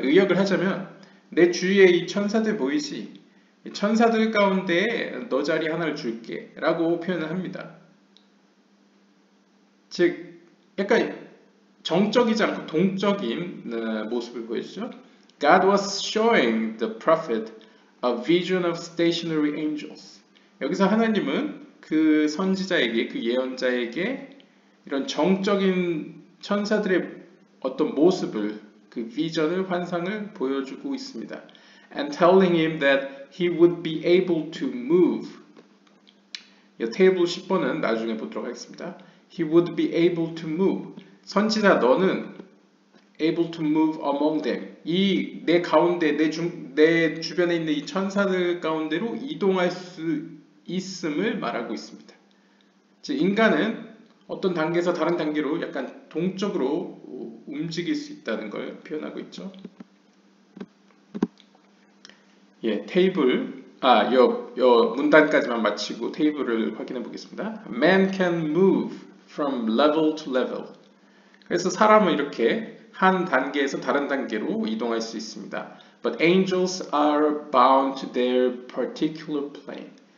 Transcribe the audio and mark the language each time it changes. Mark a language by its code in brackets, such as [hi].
[ko] 의역을 하자면 내 주위에 이 천사들 보이지? 천사들 가운데 너 자리 하나를 줄게 라고 표현을 합니다. 즉 약간 정적이지 않고 동적인 모습을 보여주죠. [en] God was showing the prophet a vision of stationary angels. [ko] 여기서 하나님은 그 선지자에게 그 예언자에게 이런 정적인 천사들의 어떤 모습을 그 비전을 환상을 보여주고 있습니다. [en] And telling him that he would be able to move. [ko] 이 테이블 10번은 나중에 보도록 하겠습니다. [en] He would be able to move. [ko] 선지자 너는 [en] able to move among them. [ko] 이 내 가운데, 내 주변에 있는 이 천사들 가운데로 이동할 수 있음을 말하고 있습니다. 즉 인간은 어떤 단계에서 다른 단계로 약간 동적으로 움직일 수 있다는 걸 표현하고 있죠. 예, 테이블, 요 문단까지만 마치고 테이블을 확인해 보겠습니다. [en] Man can move from level to level. [ko] 그래서 사람은 이렇게 한 단계에서 다른 단계로 이동할 수 있습니다. [en] But angels are bound to their particular plane.